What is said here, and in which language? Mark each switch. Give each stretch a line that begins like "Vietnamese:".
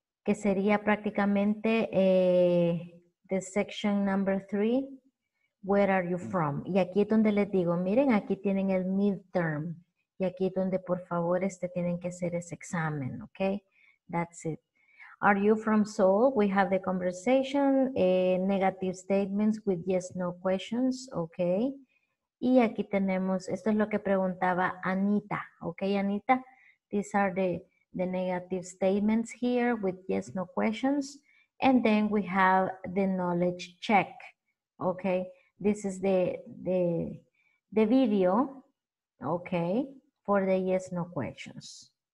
Spanish: que sería prácticamente
English: the section number 3, where are you from?
Spanish: Y aquí es donde les digo, miren, aquí tienen el midterm. Y aquí es donde, por favor, tienen que hacer ese examen, okay?
English: That's it. Are you from Seoul? We have the conversation, negative statements with yes, no questions, okay?
Spanish: Y aquí tenemos, esto es lo que preguntaba Anita, okay, Anita?
English: These are the negative statements here with yes, no questions. And then we have the knowledge check, okay? This is the video, okay, for the yes, no questions.